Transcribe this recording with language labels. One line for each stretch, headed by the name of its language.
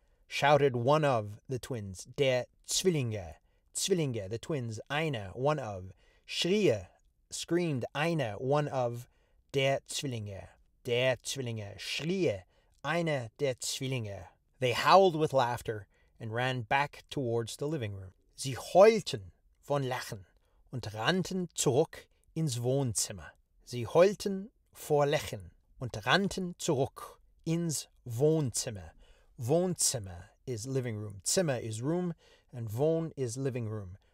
English: Shouted one of the twins.
German: Der Zwillinge. Zwillinge,
English: the twins.
German: Einer,
English: one of.
German: Schrie, screamed einer,
English: one of.
German: Der Zwillinge. Der Zwillinge. Schrie einer der Zwillinge.
English: They howled with laughter and ran back towards the living room.
German: Sie heulten von Lachen und rannten zurück ins Wohnzimmer. Sie heulten vor Lachen und rannten zurück ins Wohnzimmer.
English: Wohnzimmer is living room. Zimmer is room and Wohn is living room.